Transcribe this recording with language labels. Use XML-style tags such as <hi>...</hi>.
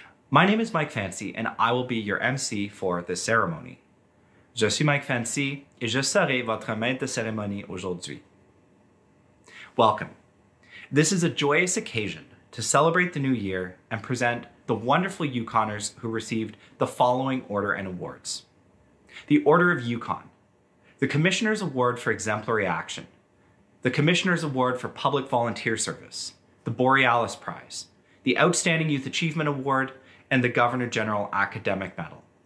<en>My name is Mike Fancy, and I will be your MC for this ceremony.</en> <fr>Je suis Mike Fancy, et je serai votre maître de cérémonie aujourd'hui.</fr> <en>Welcome. This is a joyous occasion to celebrate the new year and present the wonderful Yukoners who received the following order and awards. The Order of Yukon, the Commissioner's Award for Exemplary Action, the Commissioner's Award for Public Volunteer Service, the Borealis Prize, the Outstanding Youth Achievement Award, and the Governor General Academic Medal.</en>